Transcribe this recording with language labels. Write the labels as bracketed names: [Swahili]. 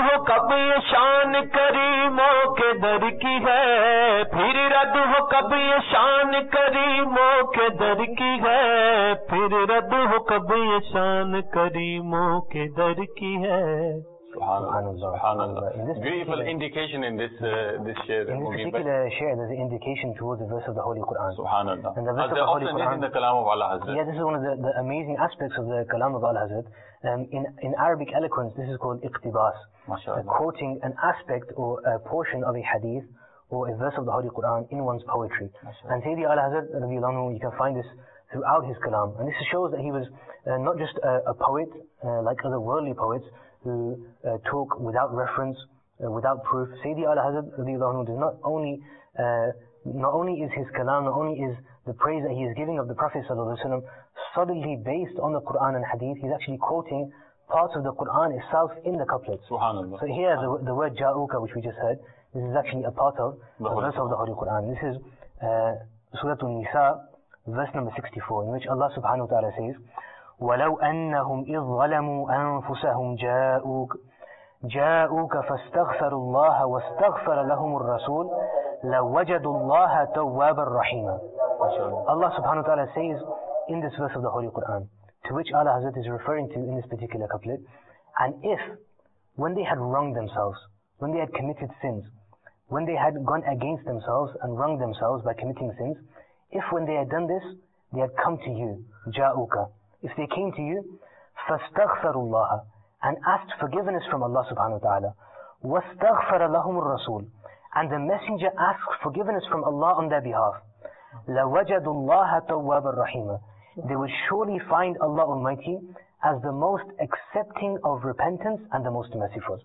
[Hindi] कब ये शान करीमों के दर की है, फिर रद हो कब ये शान करीमों के दर की है, फिर रद हो कब ये शान करीमों के दर की है. [English] Beautiful indication in this this shir, in this particular shir, there's an indication towards the verse of the Holy Quran. Subhanallah. And the verse of the Holy Quran is in the Kalam of Allah Hazrat. Yeah, this is one of the amazing aspects of the Kalam of Allah Hazrat. In Arabic eloquence, this is called iqtibas. MashaAllah. Quoting an aspect or a portion of a hadith or a verse of the Holy Quran in one's poetry. MashaAllah. And Sayyidi Allah Hazrat, radiallahu anhu, you can find this throughout his Kalam. And this shows that he was not just a poet like other worldly poets, who talk without reference, without proof. Sayyidi Ala Hazrat radiallahu anhu does not only, not only is his kalam, not only is the praise that he is giving of the Prophet sallallahu alaihi wasallam solidly based on the Quran and Hadith, he's actually quoting parts of the Quran itself in the couplets. So here the word Ja'uka, which we just heard, this is actually a part of the verse of the Holy Quran. This is Surah An-Nisa, verse number 64, in which Allah subhanahu wa ta'ala says, [Arabic] ولو أنهم إذ ظلموا أنفسهم جاءوك فاستغفروا الله واستغفر لهم الرسول لوجدوا الله توابا رحيما. [English] Allah subhanahu wa ta'ala says in this verse of the Holy Quran, to which Allah Hazrat is referring to in this particular couplet, and if when they had wronged themselves, when they had committed sins, when they had gone against themselves and wronged themselves by committing sins, if when they had done this, they had come to you, [Arabic] جَاءُكَ, [English] if they came to you, [Arabic] فَاسْتَغْفَرُوا اللَّهَ, [English] and asked forgiveness from Allah subhanahu wa ta'ala, [Arabic] وَاسْتَغْفَرَ لَهُمُ الرَّسُولُ, [English] and the messenger asked forgiveness from Allah on their behalf, [Arabic] لَوَجَدُ اللَّهَ تَوَّابًا رَحِيمًا, [English] they would surely find Allah Almighty as the most accepting of repentance and the most merciful.